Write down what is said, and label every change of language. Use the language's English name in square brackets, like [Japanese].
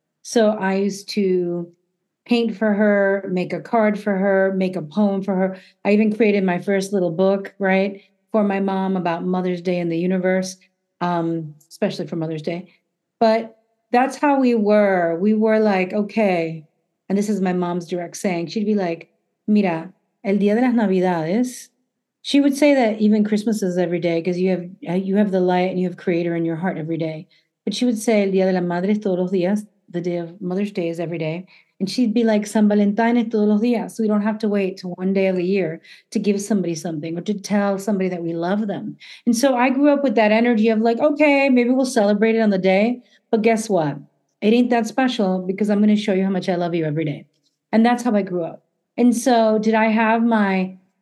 [English] So I used to paint for her, make a card for her, make a poem for her. I even created my first little book, right, for my mom about Mother's Day and the universe, especially for Mother's Day. But that's how we were. We were like, okay. And this is my mom's direct saying. She'd be like, [Spanish] mira, el día de las Navidades. [English] She would say that even Christmas is every day because you have the light and you have creator in your heart every day. But she would say, [Spanish] el día de la madre es todos los días, [English] the day of Mother's Day is every day. And she'd be like, [Spanish] San Valentín es todos los días. [English] So we don't have to wait to one day of the year to give somebody something or to tell somebody that we love them. And so I grew up with that energy of like, okay, maybe we'll celebrate it on the day. But guess what? It ain't that special because I'm going to show you how much I love you every day. And that's how I grew up. And so did I have my